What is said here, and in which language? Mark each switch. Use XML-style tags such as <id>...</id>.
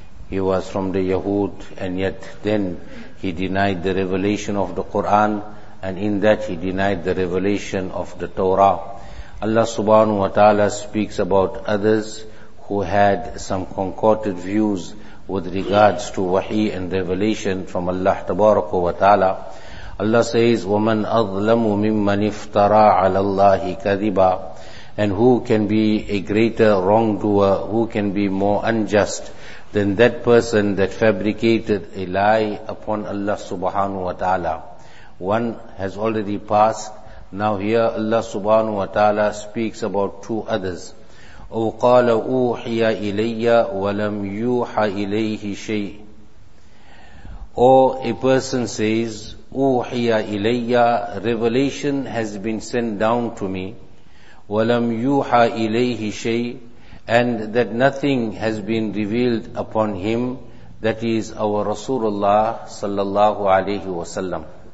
<en>He was from the Yahud, and yet then he denied the revelation of the Quran, and in that he denied the revelation of the Torah. Allah subhanahu wa ta'ala speaks about others who had some concocted views with regards to wahi and revelation from Allah tabaraka wa ta'ala. Allah says,</en> <ar>وَمَنْ أَظْلَمُ مِمَّنِ افْتَرَى عَلَى اللَّهِ كَذِبًا.</ar> <en>And who can be a greater wrongdoer, who can be more unjust than that person that fabricated a lie upon Allah subhanahu wa ta'ala. One has already passed. Now here Allah subhanahu wa ta'ala speaks about two others.</en> <ar>أو قال أوحي إلي ولم يوحى إليه شيء.</ar> <en>Or a person says,</en> <ar>أوحي إلي,</ar> <en>revelation has been sent down to me.</en> <ar>وَلَمْ يُوحَى إِلَيْهِ شَيْءٍ,</ar> <en>and that nothing has been revealed upon him, that is our Rasulullah sallallahu alayhi wa sallam.</en>